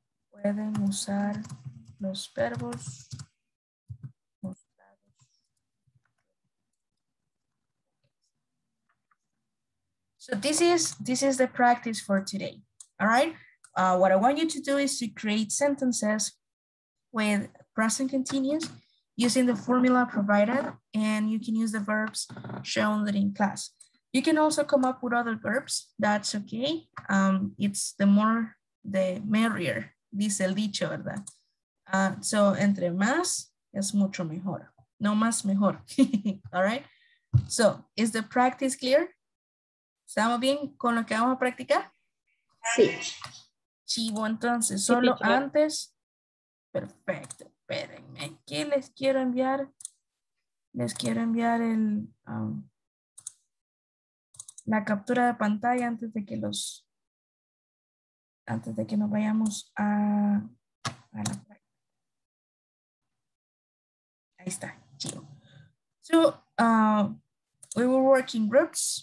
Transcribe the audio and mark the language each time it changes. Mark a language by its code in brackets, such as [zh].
[es] Pueden usar los verbos mostrados. [en] So this is the practice for today. All right. What I want you to do is to create sentences with present continuous using the formula provided, and you can use the verbs shown in class. You can also come up with other verbs, that's okay. It's the more, the merrier, [es] dice el dicho, ¿verdad? So entre más, es mucho mejor. No más, mejor, [en] all right? So, is the practice clear? [es] ¿Estamos bien con lo que vamos a practicar? Sí. Chivo, entonces, solo sí, antes. Perfecto, espérenme. ¿Qué les quiero enviar? Les quiero enviar el... la captura de pantalla antes de que los, antes de que nos vayamos a la práctica. Ahí está, chido. [en] So, we will work in groups.